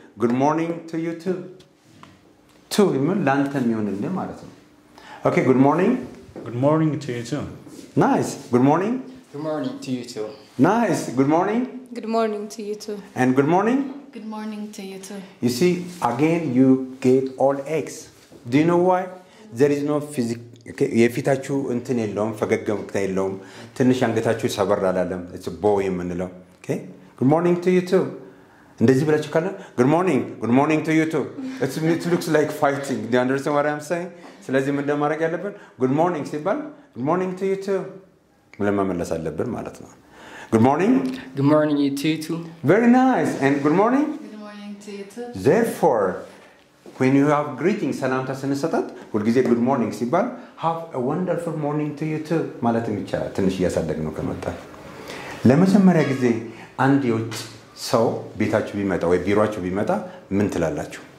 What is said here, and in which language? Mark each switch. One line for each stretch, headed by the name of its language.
English: Good morning to you too. To yemiro lantam yunile maratu. Okay, good morning. Good morning to you too. Nice. Good morning. Good morning to you too. Nice. Good morning. Good morning to you too. And good morning. Good morning to you too. You see, again, you get all eggs. Do you know why? There is no physical.
Amharic: የፊታችሁ እንትን የለውም ፈገግታ የለውም ትንሽ አንገታችሁ ሰበር አላለም።
English: It's a bow
Amharic: የምንለው።
English: Okay? Good morning to you too.
Amharic: እንደዚህ ብላችሁ ካለ
English: good morning. Good morning to you too. It looks like fighting. Do you understand what I'm saying?
Amharic: ስለዚህ ምን እንደማረግ ያለብን
English: good morning ሲባል good morning to you too.
Amharic: ምለማ መለስ አለብን ማለት ነው።
English: Good morning. Good morning to you too. Very nice. And good morning. Good morning to you too. Therefore, when you have greeting
Amharic: ሰላምታ ስንሰጣት ሁልጊዜ good morning ሲባል
English: have a wonderful morning to you too
Amharic: ማለት ይቻላል። ትንሽ ያሳደግነው ከመጣ ለመጀመሪያ ጊዜ አንድ የውጭ ሰው ቤታችሁ ቢመጣ ወይ ቢሮአችሁ ቢመጣ ምን ትላላችሁ?